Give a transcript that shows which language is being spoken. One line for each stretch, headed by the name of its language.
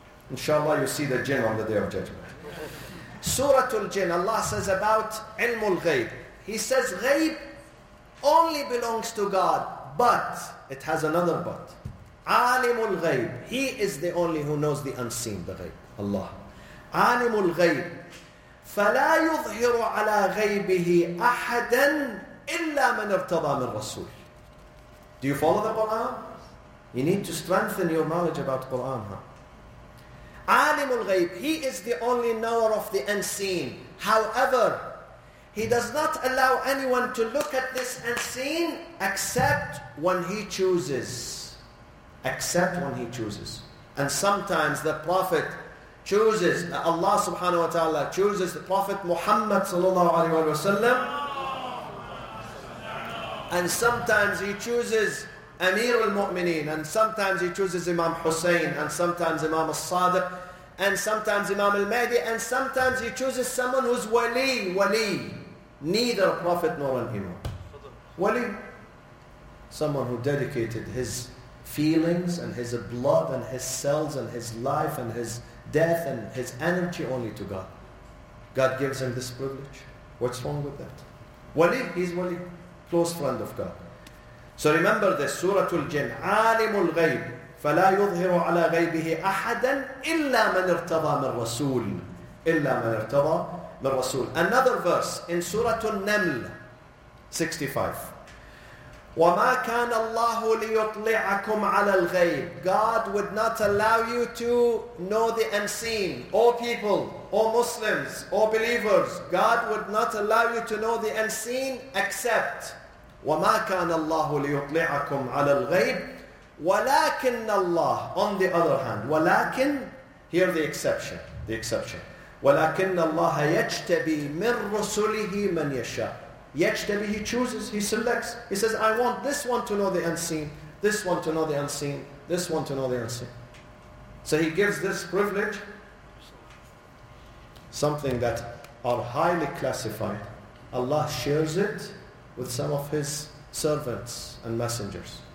English: Inshallah, you see the jinn on the Day of Judgment. Suratul Jinn, Allah says about ilmul ghaib. He says ghaib only belongs to God, but it has another but. Alimul ghaib, he is the only who knows the unseen, the ghaib, Allah.
Arabic: Alimul ghaib, فَلَا يُظْهِرُ عَلَى غَيْبِهِ أَحَدًا إِلَّا مَنْ ارْتَضَى مِنْ رَسُولِ.
English: Do you follow the Quran? You need to strengthen your knowledge about Quran. Alimul ghaib, he is the only knower of the unseen. However, he does not allow anyone to look at this unseen except when he chooses. Except when he chooses. And sometimes the Prophet chooses, Allah subhanahu wa ta'ala chooses the Prophet Muhammad sallallahu alayhi wa sallam. And sometimes he chooses Amir al-Mu'mineen, and sometimes he chooses Imam Hussein, and sometimes Imam al-Sadiq. and sometimes Imam al-Mahdi, and sometimes he chooses someone who's wali, wali. Neither a prophet nor an imam. Wali. Someone who dedicated his feelings and his blood and his cells and his life and his death and his energy only to God. God gives him this privilege. What's wrong with that? Wali, he's wali. Close friend of God. So remember this,
Arabic: Surah Al-Jin, Alimul Ghayb, فَلَا يُظْهِرُ عَلَى غَيْبِهِ أَحَدًا إِلَّا مَنْ ارْتَضَى مِنْ رَسُولٍ إِلَّا مَنْ ارْتَضَى مِنْ رَسُولٍ.
English: Another verse in Surah Al-Naml, 65.
Arabic: وَمَا كَانَ اللَّهُ لِيُطْلِعَكُمْ عَلَى الْغَيْبِ.
English: God would not allow you to know the unseen. All people, all Muslims, all believers, God would not allow you to know the unseen except
Arabic: وَمَا كَانَ اللَّهُ لِيُطْلِعَكُمْ عَلَى الْغَيْبِ ولكن الله.
English: On the other hand, ولكن, here the exception, the exception.
Arabic: ولكن الله يجتبي من رسله من يشاء.
English: يجتبي, he chooses, he selects. He says, I want this one to know the unseen, this one to know the unseen, this one to know the unseen. So he gives this privilege, something that are highly classified. Allah shares it with some of his servants and messengers.